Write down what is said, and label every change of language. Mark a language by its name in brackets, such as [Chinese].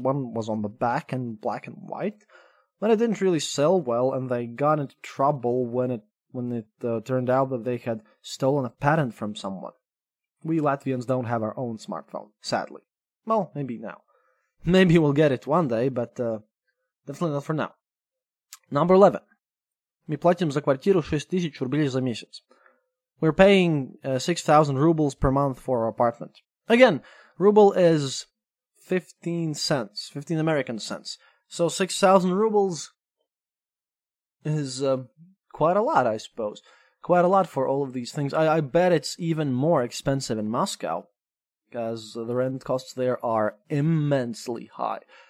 [English] One was on the back and black and white. But it didn't really sell well, and they got into trouble when it turned out that they had stolen a patent from someone. We Latvians don't have our own smartphone, sadly. Well, maybe now. Maybe we'll get it one day, but definitely not for now. Number 11. [Russian] Мы платим за квартиру 6000 рублей за месяц. [English] We're paying 6000 rubles per month for our apartment. Again, ruble is 15 cents, 15 American cents. So 6000 rubles is quite a lot, I suppose. Quite a lot for all of these things. I bet it's even more expensive in Moscow, because the rent costs there are immensely high.